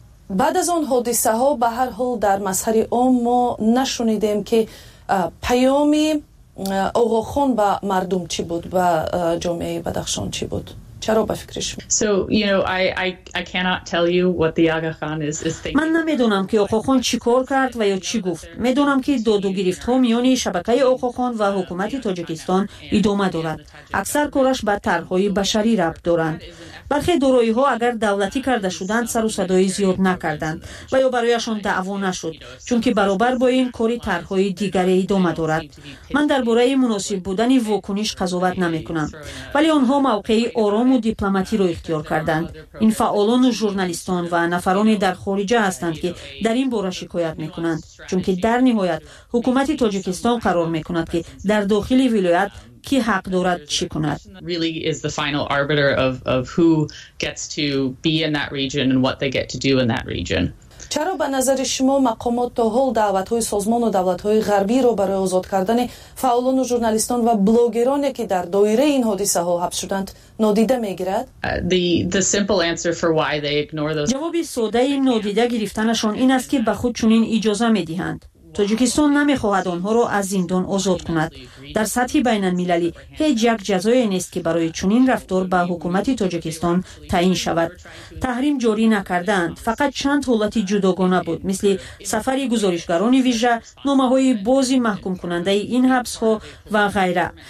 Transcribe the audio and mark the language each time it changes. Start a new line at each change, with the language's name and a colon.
Persian: بعد از آن حادثه ها به هر حال در مظهر عام ما نشنیدیم که پیامی آقاخان به مردم چی بود و جامعه بدخشان چی بود؟ چرا به فکرش؟
English: So, you know, I cannot tell you what the Aga Khan is thinking.
Persian: من نمیدونم که آقا خان چی کار کرد و یا چی گفت. میدونم که دادو گرفت ها میان شبکه آقا خان و حکومت تاجیکستان ادامه دارد. اکثر کارش به طرح‌های بشری ربط دارند. برخی دارایی‌ها اگر دولتی کرده شدند سر و صدای زیاد نکردند و یا برایشان دعوا نشد، چون که برابر با این کاری طرح‌های دیگری ادامه دارد. من درباره مناسب بودن واکنش قضاوت نمی‌کنم، ولی آنها موقعی آرام و دیپلماتی را اختیار کردند. این فعالان و ژورنالیستان و نفران در خارجه هستند که در این باره شکایت می‌کنند، چون که در نهایت حکومت تاجیکستان قرار می‌کند که در داخل ولایت کی حق دارد چی کند.
English: Really is the final arbiter of who gets to be in that region and what they get to do in that region.
Persian: چرا به نظر شما مقامات تا حال دعوت‌های سازمان و دولت‌های غربی را برای آزاد کردن فعالان و ژورنالیستان و بلاگرانی که در دایره این حادثه ها حبس شدند نادیده می‌گیرد؟
English: The simple answer for why they ignore those.
Persian: جواب ساده این نادیده گرفتنشان این است که به خود چنین اجازه می‌دهند. تاجیکستان نمیخواهد آنها را از زندان آزاد کند. در سطح بین المللی هیچ یک جزایی نیست که برای چنین رفتار به حکومت تاجیکستان تعیین شود. تحریم جاری نکردند، فقط چند حالت جداگانه بود، مثل سفر گزارشگران ویژه، نامه های بازی محکوم کننده این حبس ها و غیره.